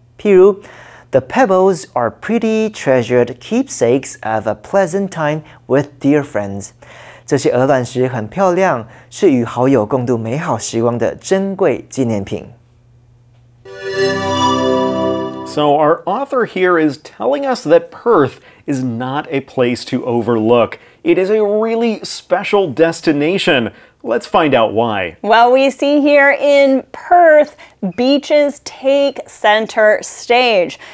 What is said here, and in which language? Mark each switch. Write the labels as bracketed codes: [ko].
[zh] 譬如 [en] ，The pebbles are pretty treasured keepsakes of a pleasant time with dear friends. [zh] 这些鹅卵石很漂亮，是与好友共度美好时光的珍贵纪念品。 [en] So our author here is telling us that Perth is not a place to overlook. It is a really special destination. Let's find out why. Well, we see here in Perth, beaches take center stage.